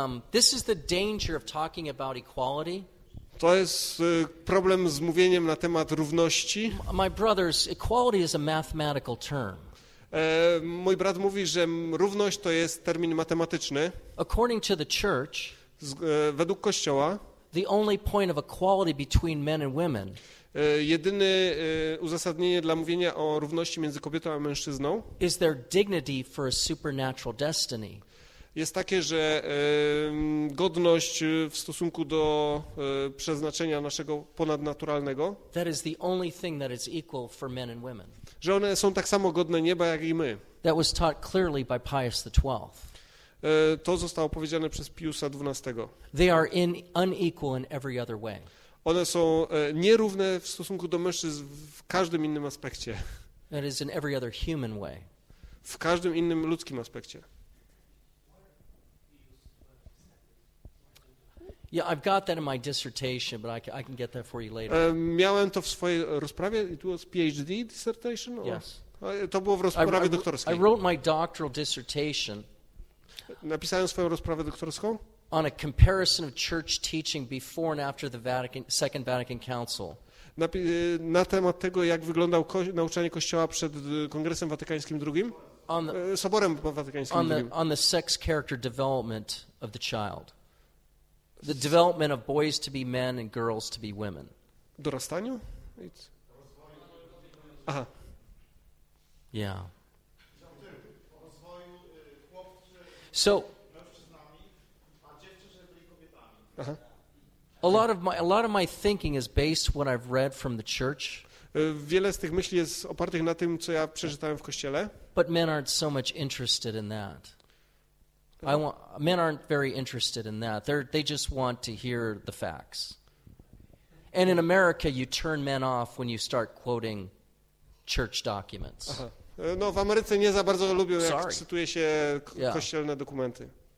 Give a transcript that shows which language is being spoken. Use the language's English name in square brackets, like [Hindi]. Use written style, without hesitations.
[English] This is the danger of talking about equality. [Polish] To jest problem z mówieniem na temat równości. [English] My brothers, equality is a mathematical term. [Polish] Mój brat mówi, że równość to jest termin matematyczny. [English] According to the church. [Polish] Według kościoła. [English] The only point of equality between men and women. [Polish] Jedyne uzasadnienie dla mówienia o równości między kobietą a mężczyzną. [English] Is their dignity for a supernatural destiny. [Polish] Jest takie, że godność w stosunku do przeznaczenia naszego ponadnaturalnego. [English] That is the only thing that is equal for men and women. [Polish] Że one są tak samo godne nieba jak i my. [English] That was taught clearly by Pius XII. [Polish] To zostało powiedziane przez Piusa XII. [English] They are in unequal in every other way. [Polish] One są nierówne w stosunku do mężczyzn w każdym innym aspekcie. [English] That is in every other human way. [Polish] W każdym innym ludzkim aspekcie. [English] Yeah, I've got that in my dissertation, but I can get that for you later. [Polish] Miałem to w swojej rozprawie. [English] It was PhD dissertation? Or? Yes. [Polish] To było w rozprawie doktorskiej. [English] I wrote my doctoral dissertation. [Polish] Napisałem swoją rozprawę doktorską. [English] On a comparison of church teaching before and after the Vatican, Second Vatican Council. [Polish] Na temat tego, jak wyglądał nauczanie Kościoła przed Kongresem Watykańskim II. Soborem Watykańskim II. [English] On the sex character development of the child. The development of boys to be men and girls to be women. [Polish] Dorastaniu? It's... Aha. [English] Yeah. So, aha. A lot of my thinking is based what I've read from the church. [Polish] Wiele z tych myśli jest opartych na tym, co ja przeczytałem w kościele. [English] But men aren't so much interested in that. Men aren't very interested in that. They just want to hear the facts. And in America, you turn men off when you start quoting church documents. Aha. [Polish] No, w Ameryce nie za bardzo lubią, jak cytuje się kościelne dokumenty.